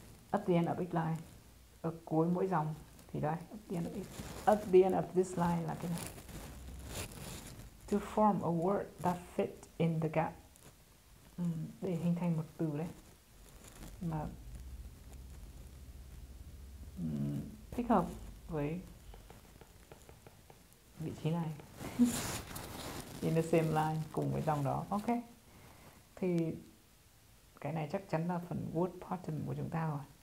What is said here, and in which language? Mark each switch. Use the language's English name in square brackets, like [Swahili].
[English] At the end of each line, [Vietnamese] ở cuối mỗi dòng thì đây. [English] At the end of each, at the end of this line [Vietnamese] là cái này. [English] To form a word that fit in the gap. [Vietnamese] Để hình thành một từ đấy mà thích hợp với vị trí này. [English] In the same line, [Vietnamese] cùng với dòng đó. Ok. Thì cái này chắc chắn là phần word pattern của chúng ta rồi.